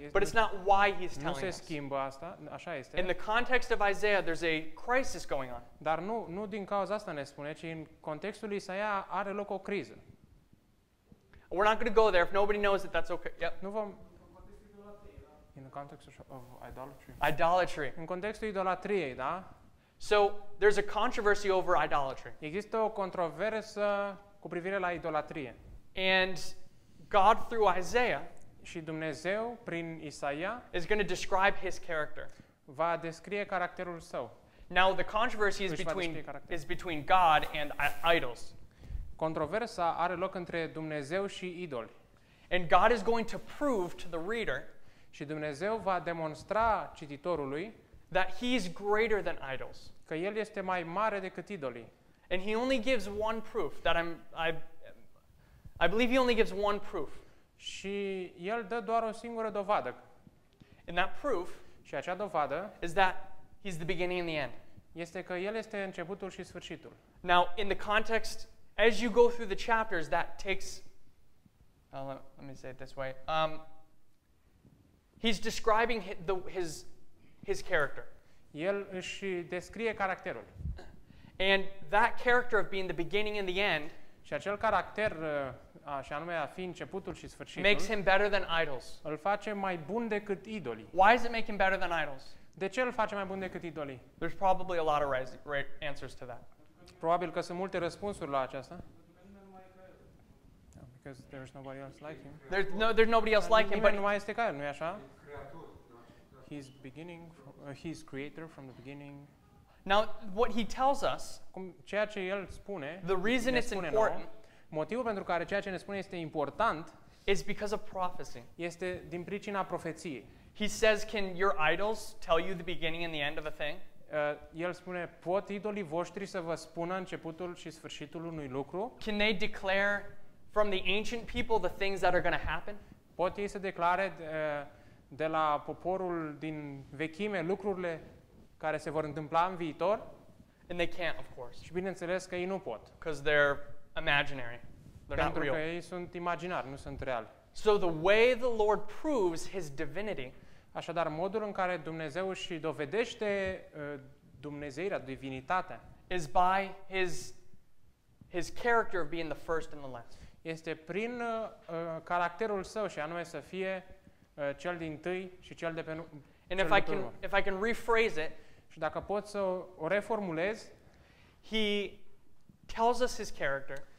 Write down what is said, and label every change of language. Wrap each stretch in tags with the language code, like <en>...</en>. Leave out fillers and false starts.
<en>But it's not why he's telling us.</en> <ro>Nu se schimbă asta. Așa este.</ro> <en>In the context of Isaiah, there's a crisis going on.</en> <ro>Dar nu din cauza asta ne spune, ci în contextul lui Isaia are loc o criză.</ro> <en>We're not going to go there. If nobody knows it, that's okay. Yep.</en> <ro>Nu vom. Poate</ro> <en>In the context of idolatry. Idolatry.</en> <ro>În contextul idolatriei, da?</ro> <en>So there's a controversy over idolatry.</en> <ro>Există o controversă cu privire la idolatrie.</ro> <en>And God through Isaiah,</en> <ro>și Dumnezeu prin Isaia,</ro> <en>is going to describe his character.</en> <ro>Va descrie caracterul său.</ro> <en>Now the controversy is between God and idols.</en> <ro>Controversa are loc între Dumnezeu și idoli.</ro> <en>And God is going to prove to the reader,</en> <ro>și Dumnezeu va demonstra cititorului,</ro> <en>that he is greater than idols.</en> <ro>Că el este mai mare decât idoli.</ro> <en>And he only gives one proof that I believe he only gives one proof.</en> <ro>Și el dă doar o singură dovadă.</ro> <en>And that proof,</en> <ro>și acea dovadă,</ro> <en>is that he's the beginning and the end.</en> <ro>Este că el este începutul și sfârșitul.</ro> <en>Now in the context, as you go through the chapters, that takes let me say it this way. He's describing his character.</en> <ro>El își descrie caracterul.</ro> <en>And that character of being the beginning and the end,</en> <ro>și acel caracter, și anume a fi începutul și sfârșitul,</ro> <en>makes him better than idols.</en> <ro>Îl face mai bun decât idoli.</ro> <en>Why does it make him better than idols?</en> <ro>De ce îl face mai bun decât idoli?</ro> <en>There's probably a lot of right answers to that.</en> <ro>Probabil că sunt multe răspunsuri la aceasta.</ro> <en>Because there's nobody else like him. There's nobody else like him.</en> <ro>Nu mai este ca el, nu-i așa?</ro> <en>He's beginning. He's creator from the beginning. Now, what he tells us,</en> <ro>ceea ce el spune,</ro> <en>the reason it's important,</en> <ro>motivul pentru care ceea ce ne spune este important,</ro> <en>is because of prophecy.</en> <ro>Este din pricina profeției.</ro> <en>He says, can your idols tell you the beginning and the end of a thing?</en> <ro>El spune, pot idolii voștri să vă spună începutul și sfârșitul unui lucru?</ro> <en>Can they declare from the ancient people the things that are going to happen?</en> <ro>Pot ei să declare de la poporul din vechime lucrurile care se vor întâmpla în viitor?</ro> <en>And they can't, of course.</en> <ro>Și bineînțeles că ei nu pot.</ro> <en>Because they're imaginary. They're</en> <ro>pentru</ro> <en>not real.</en> <ro>Că ei sunt imaginari, nu sunt reali.</ro> <en>So the way the Lord proves his divinity,</en> <ro>așadar modul în care Dumnezeu își dovedește dumnezeirea, divinitatea,</ro> <en>is by his character of being the first and the last.</en> <ro>Este prin caracterul său, și anume să fie cel din tâi și cel de pe</ro> <en>And if I can</en> <ro>urmă.</ro> <en>If I can rephrase it,</en> <ro>și dacă pot să o reformulez,</ro> <en>he tells us his character.</en>